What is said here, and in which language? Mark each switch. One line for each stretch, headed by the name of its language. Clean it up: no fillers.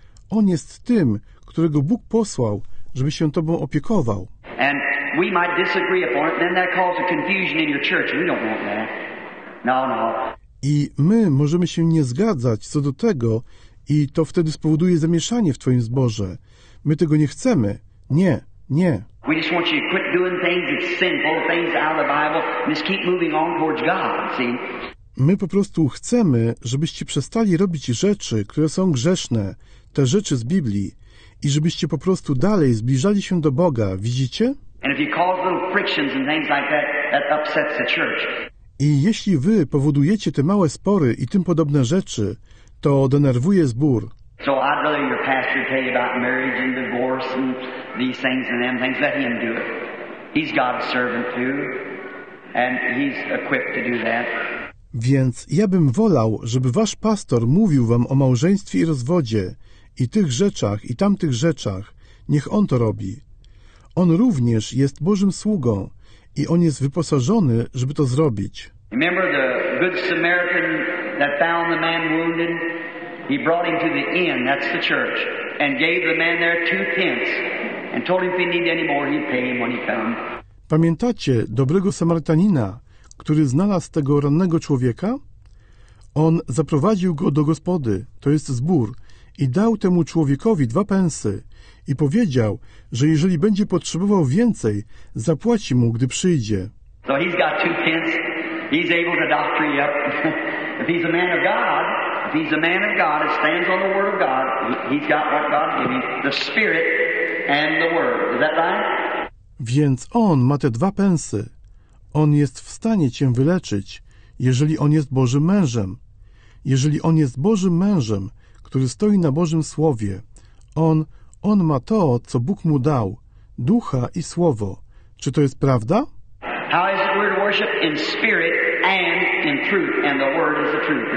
Polish: On jest tym, którego Bóg posłał, żeby się tobą opiekował.
English: And we might disagree upon it, then that causes confusion in your church. We don't want that. No.
Polish: I my możemy się nie zgadzać co do tego i to wtedy spowoduje zamieszanie w twoim zborze. My tego nie chcemy. Nie, Nie.
English: We just want you to quit doing things that's sinful, things out of the Bible, and just keep moving on towards God, see?
Polish: My po prostu chcemy, żebyście przestali robić rzeczy, które są grzeszne, te rzeczy z Biblii, i żebyście po prostu dalej zbliżali się do Boga, widzicie?
English: And if you cause little frictions and things like that, that upsets the church.
Polish: I jeśli wy powodujecie te małe spory i tym podobne rzeczy, to denerwuje zbór.
English: So I'd rather your pastor tell you about marriage and divorce and these things and them things. Let him do it. He's God's servant too, and he's equipped to do that.
Polish: Więc ja bym wolał, żeby wasz pastor mówił wam o małżeństwie i rozwodzie, i tych rzeczach, i tamtych rzeczach. Niech on to robi. On również jest Bożym sługą i on jest wyposażony, żeby to zrobić.
English: Remember the good Samaritan that found the man wounded? He brought him to the inn, that's the church, and gave the man there 2 pence and told him if he needed any more, he'd pay him when he came.
Polish: Pamiętacie dobrego Samarytanina, który znalazł tego rannego człowieka? On zaprowadził go do gospody, to jest zbór, i dał temu człowiekowi 2 pensy i powiedział, że jeżeli będzie potrzebował więcej, zapłaci mu, gdy przyjdzie.
English: So he's got 2 pence. He's able to doctor you up. If he's a man of God, it stands on the word of God. He's got what God gave him, the Spirit and the Word. Is that right?
Polish: Więc on ma te 2 pensy. On jest w stanie cię wyleczyć, jeżeli on jest Bożym mężem. Jeżeli on jest Bożym mężem, który stoi na Bożym Słowie, on ma to, co Bóg mu dał, ducha i słowo. Czy to jest prawda?
English: How is the word worship? In spirit and in truth, and the word is the truth.